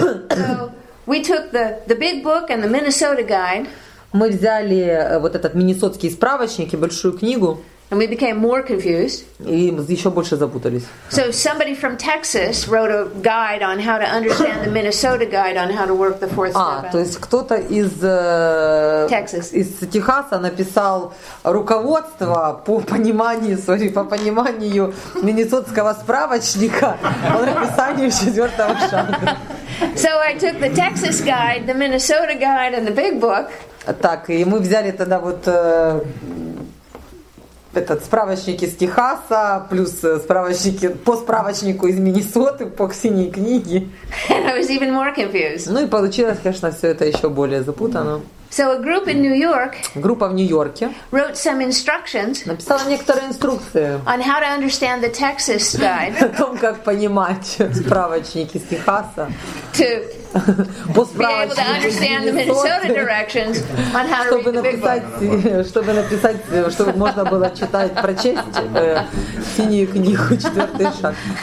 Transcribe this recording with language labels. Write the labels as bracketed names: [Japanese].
[English] So we took the big book and the Minnesota guide. [Russian] Мы взяли вот этот миннесотский справочник и большую книгу. [English] And we became more confused. [Russian] И еще больше запутались. [English] So somebody from Texas wrote a guide on how to understand the Minnesota guide on how to work the fourth step. [Russian] То есть кто-то из [English] Texas. [Russian] Из Техаса написал руководство по пониманию, [English] sorry, [Russian] по пониманию миннесотского справочника по написанию четвертого шага. [English] So I took the Texas guide, the Minnesota guide, and the big book. [Russian] Так, и мы взяли тогда вот этот справочник из Техаса, плюс справочники по справочнику из Миннесоты, по синей книге. [English] And I was even more confused. [Russian] Ну и получилось, конечно, все это еще более запутано. [English] So a group in New York [Russian] группа в Нью-Йорке [English] wrote some instructions [Russian] написала некоторые инструкции [English] on how to understand the Texas guide. [Russian] О том, как понимать справочник из Техаса. [English] To be able to understand the Minnesota directions on how to read the big book. [Russian] Чтобы написать, чтобы можно было читать, прочесть синюю книгу четвертый шаг.